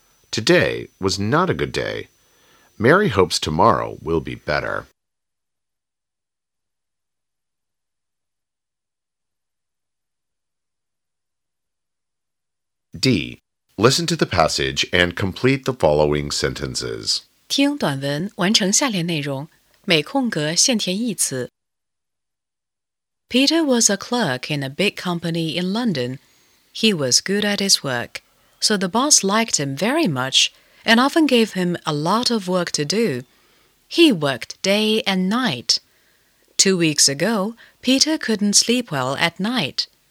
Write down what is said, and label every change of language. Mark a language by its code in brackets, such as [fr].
[en] Today was not a good day. Mary hopes tomorrow will be better. D. Listen to the passage and complete the following sentences. [zh] 听短文，完成下列内容，每空格限填一词。 [en] Peter was a clerk in a big company in London. He was good at his work, so the boss liked him very much and often gave him a lot of work to do. He worked day and night. 2 weeks ago, Peter couldn't sleep well at night.